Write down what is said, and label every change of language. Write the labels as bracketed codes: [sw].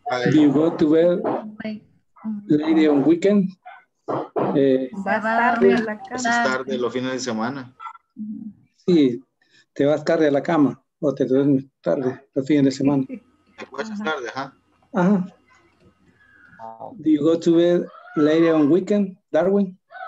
[en] Do you go to bed late on weekend? [es] Vas tarde los fines de semana. Sí, te vas tarde a la cama o te duermes tarde los fines de semana. Te acuestas tarde, ¿ajá? Ajá. [en] Do you go to bed late on weekend, Darwin?